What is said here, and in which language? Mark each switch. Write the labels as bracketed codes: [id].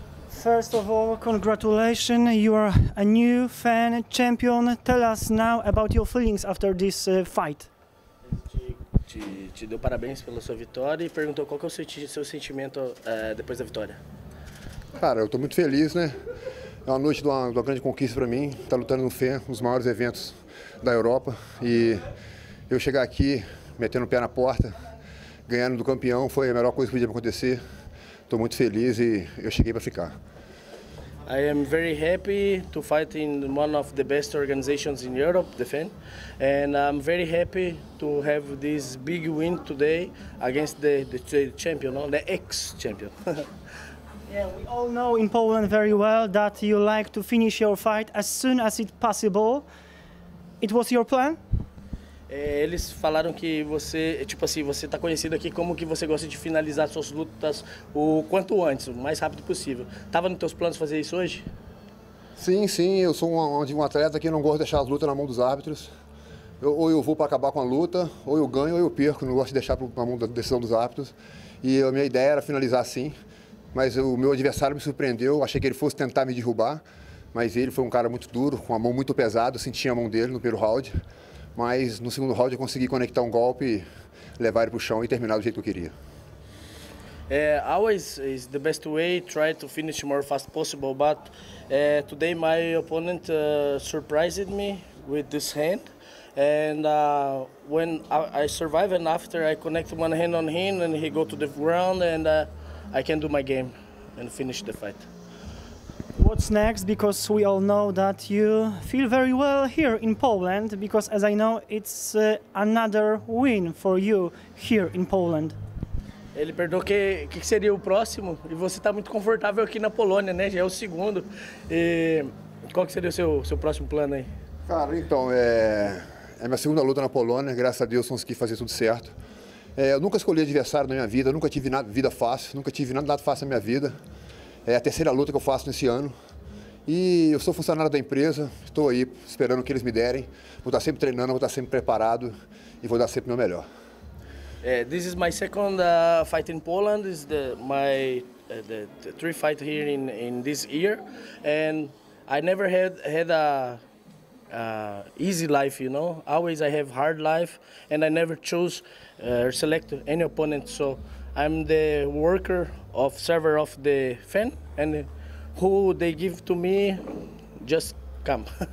[en] First of all, congratulations, you are a new fan champion. Tell us now about your feelings after this fight. [pt] Te deu parabéns pela sua vitória e perguntou qual que é o seu sentimento depois da vitória. Cara, eu tô muito feliz, né? É uma noite de uma grande conquista para mim. Tá lutando no FEN, um dos maiores eventos da Europa. E eu chegar aqui, metendo o pé na porta, ganhando do campeão, foi a melhor coisa que podia acontecer. Estou muito feliz e eu cheguei para ficar. [en] I am very happy to fight in one of the best organizations in Europe, the FEN, and I'm very happy to have this big win today against the champion, no? The ex-champion. Yeah, we all know in Poland very well that you like to finish your fight as soon as it possible. It was your plan? [pt] Eles falaram que você, tipo assim, você está conhecido aqui, como que você gosta de finalizar suas lutas o quanto antes, o mais rápido possível. Estava nos teus planos fazer isso hoje? Sim, eu sou um atleta que não gosto de deixar as lutas na mão dos árbitros. Ou eu vou para acabar com a luta, ou eu ganho, ou eu perco, não gosto de deixar na mão da decisão dos árbitros. E a minha ideia era finalizar assim, mas o meu adversário me surpreendeu, achei que ele fosse tentar me derrubar, mas ele foi um cara muito duro, com a mão muito pesada, eu senti a mão dele no primeiro round. Mas no segundo round eu consegui conectar um golpe, levar ele para o chão e terminar do jeito que eu queria. [en] Always is the best way try to finish more fast possible, but today my opponent surprised me with this hand, and when I survive and after I connect one hand on him and he go to the ground and I can do my game and finish the fight. What's next? Because we all know that you feel very well here in Poland, because as I know, it's another win for you here in Poland. [pt] Ele perguntou que seria o próximo, e você está muito confortável aqui na Polônia, né? Já é o segundo. E qual que seria o seu próximo plano aí? Cara, então, é minha segunda luta na Polônia, graças a Deus consegui fazer tudo certo. Eu nunca escolhi adversário na minha vida, nunca tive nada vida fácil, nunca tive nada fácil na minha vida. É a terceira luta que eu faço nesse ano. E eu sou funcionário da empresa, estou aí esperando o que eles me derem. Vou estar sempre treinando, vou estar sempre preparado e vou dar sempre o meu melhor. [en] This is my second fight in Poland. This is the three fight here in this year, and I never had a easy life, you know. Always I have hard life and I never chose or select any opponent, so I'm the worker of server of the FEN, and who they give to me, just come.